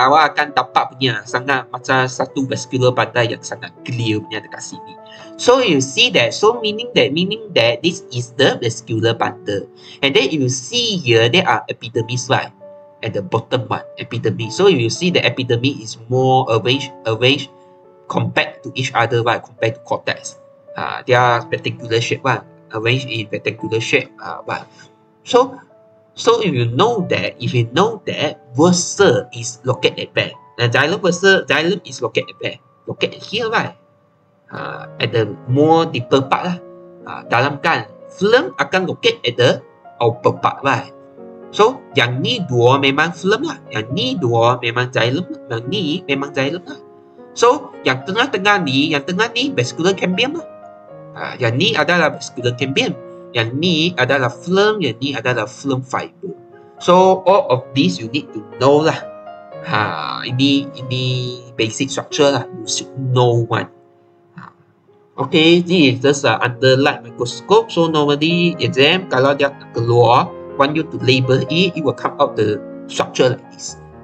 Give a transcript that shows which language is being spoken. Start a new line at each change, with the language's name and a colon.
Malay: Awak akan dapat punya sangat macam satu vascular bundle yang sangat clear punya dekat sini.
English: So you see that, so meaning that this is the vascular bundle. And then you see here, there are epidermis right at the bottom one, epidermis. So you see the epidermis is more arranged compared to each other, right, compared to cortex. They are rectangular shape one, right? Arranged in rectangular shape, So if you know that versa is located at back, and xylem is located at back, located here, right? At the more deeper part lah.
Malay: Dalam kan,
English: phloem akan locate at the upper part, right?
Malay: So yang ni dua memang phloem lah, yang ni dua memang xylem, yang ni memang xylem lah. So yang tengah-tengah ni, vascular cambium lah. Yang ni adalah vascular cambium, yang ni adalah phloem, yang ni adalah phloem fiber.
English: So all of this you need to know lah.
Malay: Ini basic structure lah,
English: you should know one. Okay, this is just under light microscope. So normally exam,
Malay: kalau dia keluar,
English: want you to label it, it will come out the structure like this.